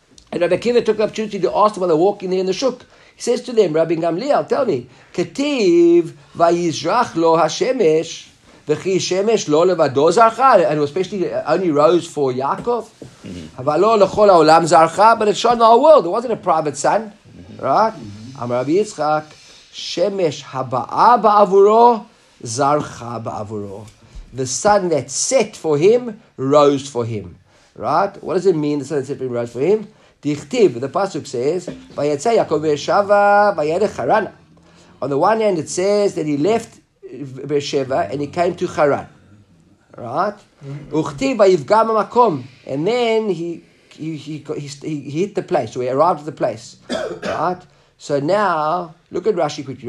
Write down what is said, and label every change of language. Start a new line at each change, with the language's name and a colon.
English: And Rabbi Akiva took the opportunity to ask them while they're walking there in the shuk. He says to them, "Rabbi Gamliel, tell me,
Hebrew: Ketiv vayizrach lo hashemesh וכי שמש לא לבדו זרחה,
English: and especially only rose for Yaakov.
Hebrew: אבל לא לכל העולם זרחה,
English: but it shone in the whole world. It wasn't a private sun, right?
Hebrew: אמר רבי יצחק, שמש הבאה בעבורו, זרחה בעבורו.
English: The sun that set for him, rose for him. Right? What does it mean, the sun that set for him, rose for him?
Hebrew: דכתיב,
English: the pasuk says,
Hebrew: ויצא יעקב וישבה, וידך חרנה.
English: On the one hand, it says that he left Beersheba and he came to Haran. Right?
Hebrew: Uchtiva yivgam ha-makom.
English: And then he hit the place. So he arrived at the place. Right? So now, look at Rashi quickly.